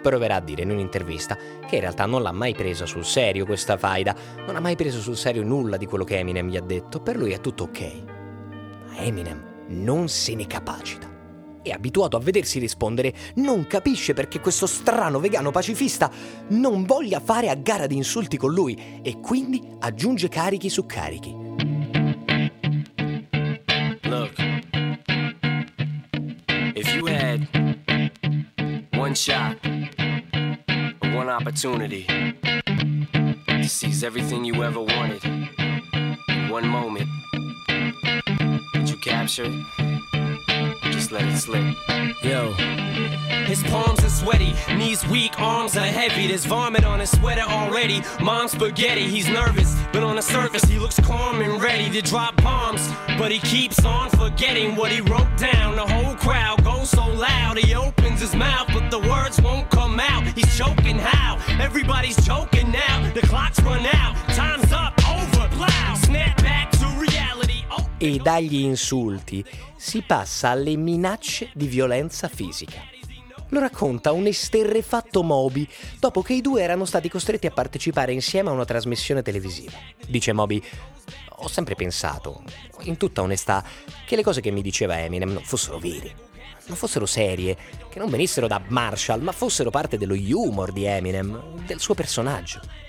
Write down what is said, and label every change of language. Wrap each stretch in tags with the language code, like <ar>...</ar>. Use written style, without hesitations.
<it>Proverà a dire in un'intervista che in realtà non l'ha mai presa sul serio questa faida, non ha mai preso sul serio nulla di quello che Eminem gli ha detto, per lui è tutto ok. Ma Eminem non se ne capacita. È abituato a vedersi rispondere, non capisce perché questo strano vegano pacifista non voglia fare a gara di insulti con lui e quindi aggiunge carichi su carichi.</it> <en>Look, if you had one shot, one opportunity to seize everything you ever wanted in one moment, capture, just let it slip. Yo, his palms are sweaty, knees weak, arms are heavy, there's vomit on his sweater already, mom's spaghetti, he's nervous, but on the surface he looks calm and ready to drop bombs, but he keeps on forgetting what he wrote down, the whole crowd goes so loud, he opens his mouth, but the words won't come out, he's choking how, everybody's choking now, the clock's run out, time's up, over, plow, snap back.</en> <it>E dagli insulti si passa alle minacce di violenza fisica. Lo racconta un esterrefatto Moby dopo che i due erano stati costretti a partecipare insieme a una trasmissione televisiva. Dice Moby: ho sempre pensato, in tutta onestà, che le cose che mi diceva Eminem non fossero vere, non fossero serie, che non venissero da Marshall, ma fossero parte dello humor di Eminem, del suo personaggio.</it>